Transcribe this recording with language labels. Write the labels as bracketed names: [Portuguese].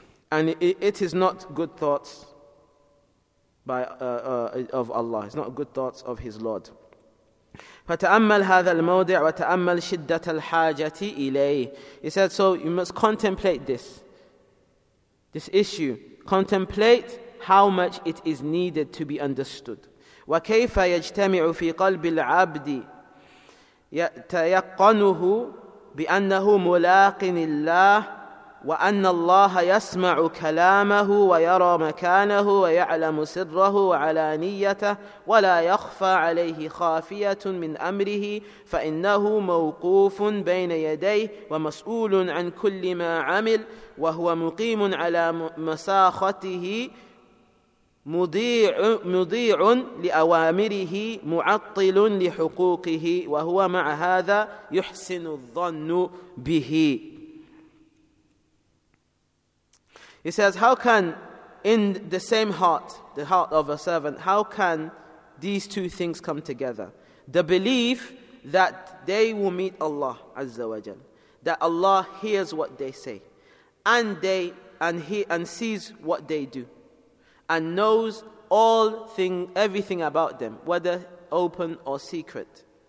[English] And it is not good thoughts of Allah. It's not good thoughts of His Lord. [Arabic] فَتَأَمَّلْ هَذَا الْمَوْضِعُ وَتَأَمَّلْ شِدَّةَ الْحَاجَةِ إِلَيْهِ. [English] He said, so you must contemplate this issue. Contemplate how much it is needed to be understood. [Arabic] وَكَيْفَ يَجْتَمِعُ فِي قَلْبِ الْعَبْدِ يَتَيَقَّنُهُ بِأَنَّهُ مُلَاقِنِ اللَّهِ وأن الله يسمع كلامه ويرى مكانه ويعلم سره وعلانيته ولا يخفى عليه خافية من أمره فإنه موقوف بين يديه ومسؤول عن كل ما عمل وهو مقيم على مساخته مضيع لأوامره معطل لحقوقه وهو مع هذا يحسن الظن به. [English] He says, how can in the same heart, the heart of a servant, how can these two things come together? The belief that they will meet Allah Azza wa Jal, that Allah hears what they say, and sees what they do, and knows everything about them, whether open or secret.